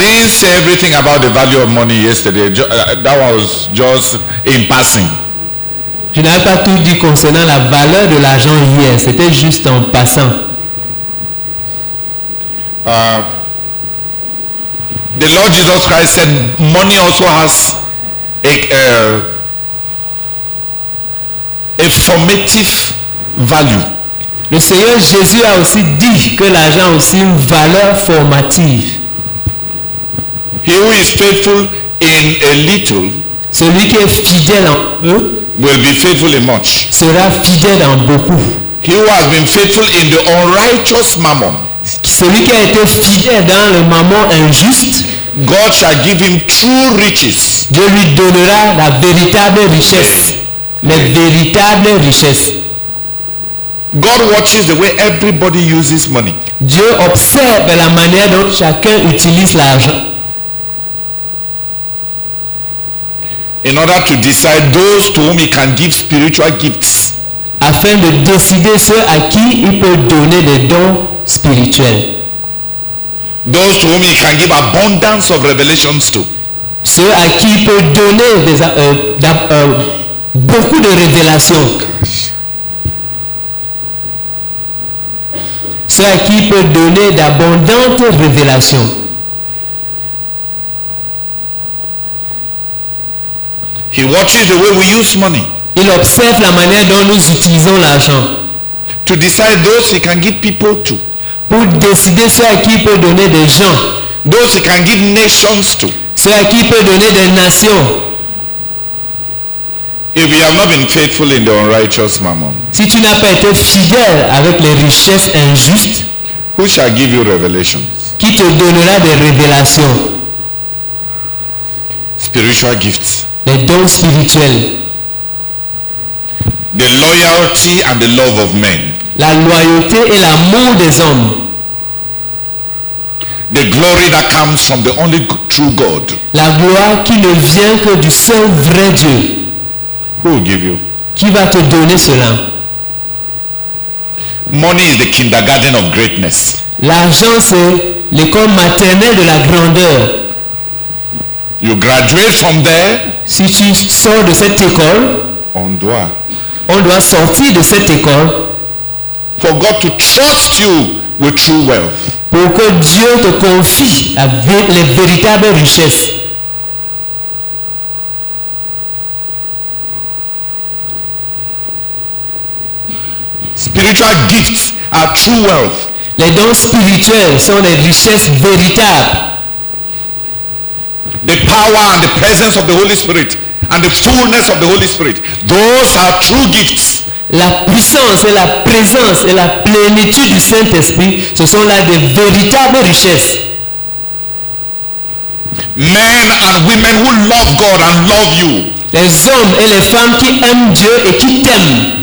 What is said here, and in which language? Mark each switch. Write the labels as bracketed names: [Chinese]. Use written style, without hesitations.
[English] say everything about the value of money yesterday. That was just in passing. [French] Je n'ai pas tout dit concernant la valeur de l'argent hier. C'était juste en passant. [English] The Lord Jesus Christ said, money also has a formative value. [French] Le Seigneur Jésus a aussi dit que l'argent a aussi une valeur formative. [English] He who is faithful in a little, [French] celui qui est fidèle en peu, [English] will be faithful in much. [French] Sera fidèle en beaucoup. [English] He who has been faithful in the unrighteous mammon, [French] celui qui a été fidèle dans le mammon injuste, [English] God shall give him true riches. [French] Dieu lui donnera la véritable richesse. Les véritables richesses. [English] God watches the way everybody uses money. [French] Dieu observe la manière dont chacun utilise l'argent. [English] In order to decide those to whom he can give spiritual gifts. [French] Afin de décider ceux à qui il peut donner des dons spirituels. [English] Those to whom he can give abundance of revelations to. [French] Ceux à qui il peut donner des beaucoup de révélations. Ceux à qui il peut donner d'abondantes révélations. [English] He watches the way we use money. [French] Il observe la manière dont nous utilisons l'argent. [English] To decide those he can give people to. [French] Pour décider ceux à qui il peut donner des gens. [English] Those he can give nations to. [French] Ceux à qui il peut donner des nations. [English] If you have not been faithful in the unrighteous mammon, [French] si tu n'as pas été fidèle avec les richesses injustes, [English] who shall give you revelations? [French] Qui te donnera des révélations? [English] Spiritual gifts. [French] Les dons spirituels. [English] The loyalty and the love of men. [French] La loyauté et l'amour des hommes. [English] The glory that comes from the only true God. [French] La gloire qui ne vient que du seul vrai Dieu. [English] Who will give you? [French] Qui va te donner cela? [English] Money is the kindergarten of greatness. [French] L'argent c'est l'école maternelle de la grandeur. [English] You graduate from there. [French] Si tu sors de cette école, on doit sortir de cette école. [English] For God to trust you with true wealth. [French] Pour que Dieu te confie les véritables richesses. [English] Spiritual gifts are true wealth. [French] Les dons spirituels sont des richesses véritables. [English] The power and the presence of the Holy Spirit and the fullness of the Holy Spirit. Those are true gifts. [French] La puissance et la présence et la plénitude du Saint-Esprit, ce sont là des véritables richesses. [English] Men and women who love God and love you. [French] Les hommes et les femmes qui aiment Dieu et qui t'aiment.